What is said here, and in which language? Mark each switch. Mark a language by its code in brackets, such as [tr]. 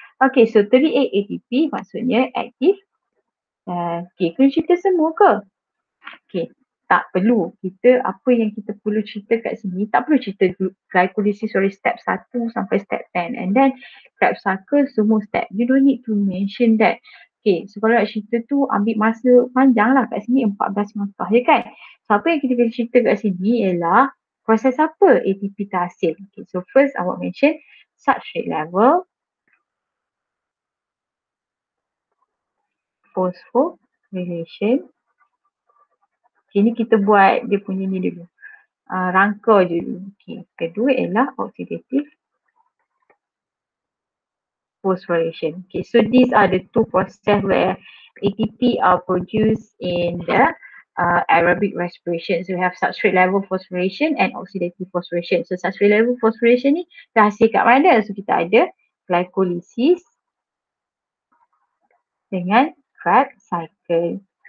[ms] Okay, so 38 ATP maksudnya active okay, kena cerita semua ke? Okay, tak perlu. Kita, apa yang kita perlu cerita kat sini, tak perlu cerita glycolysis dari step 1 sampai step 10. [en] And then, step cycle, semua step. You don't need to mention that. [ms] Okay, so kalau nak cerita tu, ambil masa panjang lah kat sini, 14 markah je kan? So, apa yang kita kena cerita kat sini ialah proses apa ATP terhasil. [en] Okay, so first, awak mention substrate level. [ms] Phosphorylation. Okay, ni kita buat dia punya ni dulu. Rangka je dulu. Okay, kedua ialah oxidative phosphorylation. [en] Okay, so these are the two process where ATP are produced in the aerobic respiration. So we have substrate level phosphorylation and oxidative phosphorylation. [ms] So substrate level phosphorylation ni terhasil kat mana? So kita ada glycolysis dengan Krebs cycle.